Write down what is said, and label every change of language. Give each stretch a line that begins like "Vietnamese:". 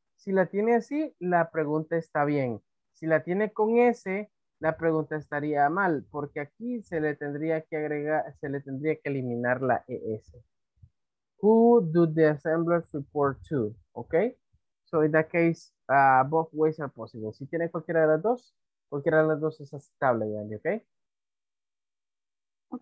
Spanish: Si la tiene así, la pregunta está bien. Si la tiene con ese, la pregunta estaría mal, porque aquí se le tendría que agregar, se le tendría que eliminar la ES.
English: Who do the assemblers report to? Ok. So in that case, both ways are possible.
Spanish: Si tiene cualquiera de las dos, cualquiera de las dos es aceptable, Andy, ok.